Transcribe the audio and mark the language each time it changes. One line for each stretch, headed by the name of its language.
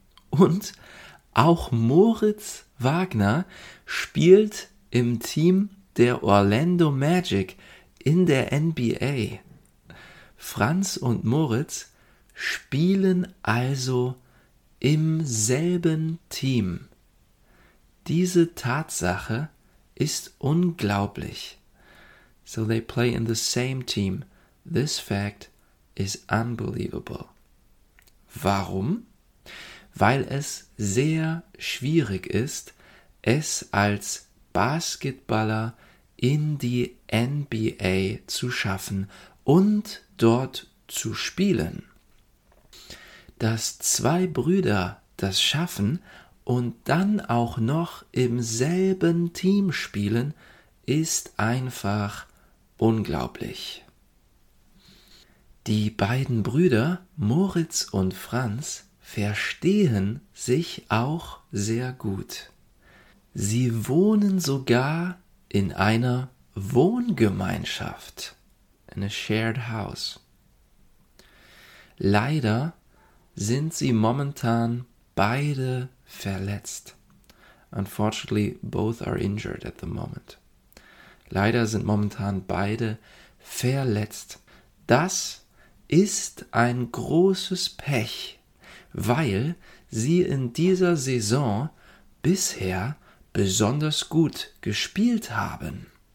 German: Und auch Moritz Wagner spielt im Team der Orlando Magic in der NBA. Franz und Moritz spielen also im selben Team. Diese Tatsache ist unglaublich.
English: So they play in the same team. This fact is unbelievable.
German: Warum? Weil es sehr schwierig ist, es als Basketballer in die NBA zu schaffen und dort zu spielen. Dass zwei Brüder das schaffen und dann auch noch im selben Team spielen, ist einfach unglaublich. Die beiden Brüder, Moritz und Franz, verstehen sich auch sehr gut. Sie wohnen sogar in einer Wohngemeinschaft,
English: in a shared house.
German: Leider sind sie momentan beide verletzt.
English: Unfortunately, both are injured at the moment.
German: Leider sind momentan beide verletzt. Das ist ein großes Pech, weil sie in dieser Saison bisher besonders gut gespielt haben.